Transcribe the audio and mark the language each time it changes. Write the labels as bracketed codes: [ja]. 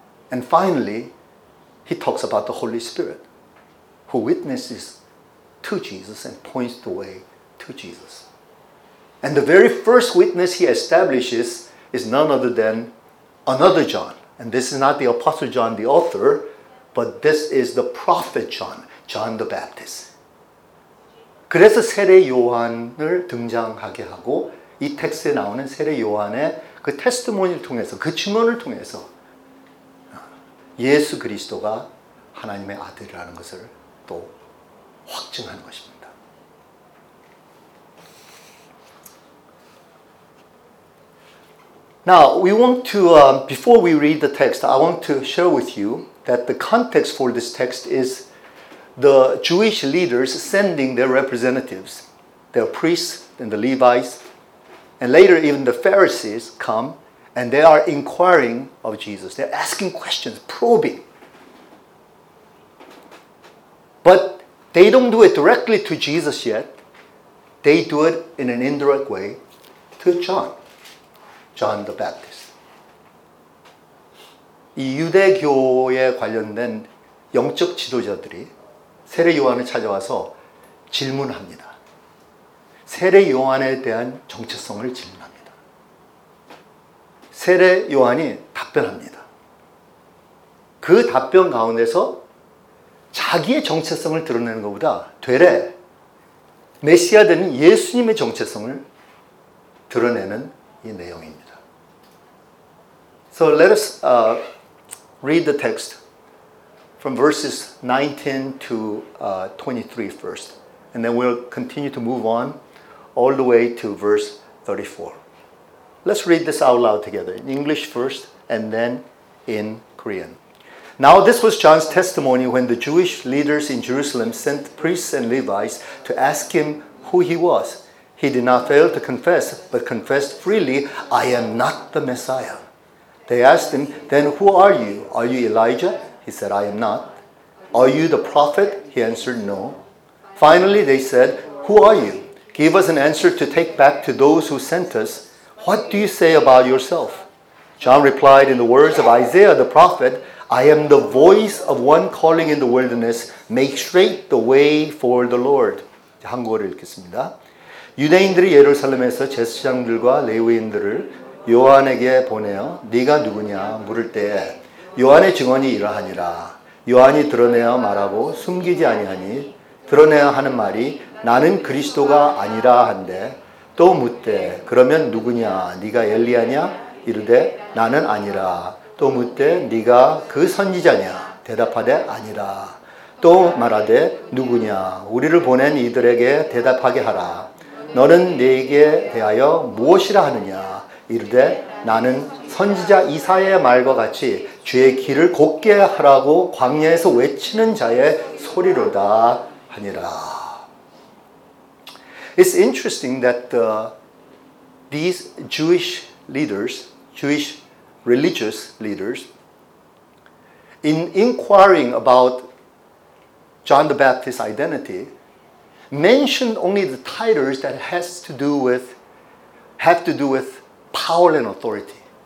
[en] And finally, he talks about the Holy Spirit, who witnesses to Jesus and points the way to Jesus. And the very first witness he establishes is none other than another John. And this is not the Apostle John, the author, but this is the prophet John, John the Baptist. [ko] 그래서 세례 요한을 등장하게 하고 이 텍스트에 나오는 세례 요한의 그 테스트모니를 통해서 그 증언을 통해서 예수 그리스도가 하나님의 아들이라는 것을 또 확증하는 것입니다. [en] Now, we want to before we read the text, I want to share with you that the context for this text is the Jewish leaders sending their representatives, their priests and the Levites, and later even the Pharisees come, and they are inquiring of Jesus. They're asking questions, probing. But they don't do it directly to Jesus yet. They do it in an indirect way to John, John the Baptist. [ko] 이 유대교에 관련된 영적 지도자들이 세례 요한을 찾아와서 질문합니다. 세례 요한에 대한 정체성을 질문합니다. 세례 요한이 답변합니다. 그 답변 가운데서 자기의 정체성을 드러내는 것보다 되레 메시아 되는 예수님의 정체성을 드러내는 이 내용입니다. [en] So let us read the text from verses 19 to 23 first. And then we'll continue to move on all the way to verse 34. Let's read this out loud together in English first and then in Korean. Now this was John's testimony when the Jewish leaders in Jerusalem sent priests and Levites to ask him who he was. He did not fail to confess, but confessed freely, "I am not the Messiah." They asked him, "Then who are you? Are you Elijah?" He said, "I am not." "Are you the prophet?" He answered, "No." Finally, they said, "Who are you? Give us an answer to take back to those who sent us. What do you say about yourself?" John replied in the words of Isaiah the prophet, "I am the voice of one calling in the wilderness. Make straight the way for the Lord." [ko] 한국어를 읽겠습니다. 유대인들이 예루살렘에서 제사장들과 레위인들을 요한에게 보내어 네가 누구냐 물을 때에 요한의 증언이 이러하니라. 요한이 드러내어 말하고 숨기지 아니하니 드러내어 하는 말이 나는 그리스도가 아니라 한대. 또 묻되 그러면 누구냐 네가 엘리야냐 이르되 나는 아니라. 또 묻되 네가 그 선지자냐 대답하되 아니라. 또 말하되 누구냐 우리를 보낸 이들에게 대답하게 하라. 너는 네게 대하여 무엇이라 하느냐 이르되 나는 선지자 이사야의 말과 같이 주의 길을 곧게 하라고 광야에서 외치는 자의 소리로다 하니라. [en] It's interesting that these Jewish leaders, Jewish religious leaders, in inquiring about John the Baptist's identity, mentioned only the titles that have to do with power and authority.